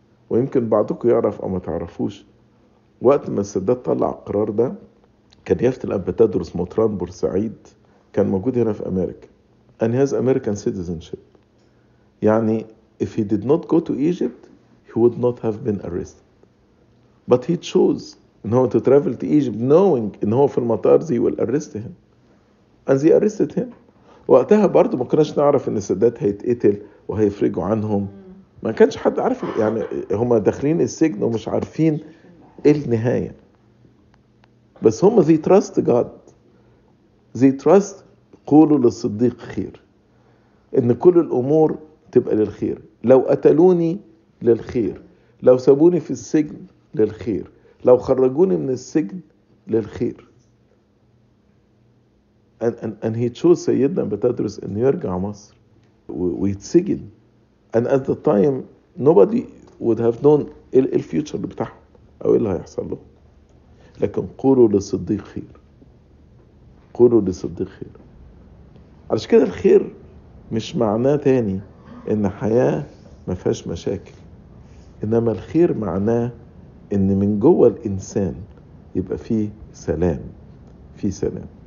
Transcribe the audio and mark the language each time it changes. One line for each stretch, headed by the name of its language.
Arabic: ويمكن بعضكم يعرف او ما تعرفوش، وقت ما السادات طلع القرار ده كان يافت الأب تدرس موتران بورسعيد كان موجود هنا في امريكا.
English: And he has American citizenship. يعني if he did not go to Egypt he would not have been arrested. But he chose
Arabic: إن هو
English: to travel to Egypt knowing
Arabic: إن هو في المطار زي
English: will arrest him. And they arrested him.
Arabic: وقتها برضو ما كناش نعرف إن السادات هيتقتل وهيفرجوا عنهم. ما كانش حد عارف، يعني هما داخلين السجن ومش عارفين إيه النهاية. بس هما
English: they trust God. They trust
Arabic: قولوا للصديق خير. إن كل الأمور تبقى للخير. لو قتلوني للخير. لو سابوني في السجن للخير. لو خرجوني من السجن للخير.
English: And he chose
Arabic: سيدنا بتدرس ان يرجع مصر ويتسجن.
English: And at the time nobody would have known ال future
Arabic: بتاعهم او ايه اللي هيحصل له. لكن قولوا للصديق خير، قولوا للصديق خير. علش كده الخير مش معناه تاني ان حياة ما فيهاش مشاكل، انما الخير معناه إن من جوه الإنسان يبقى فيه سلام، فيه سلام.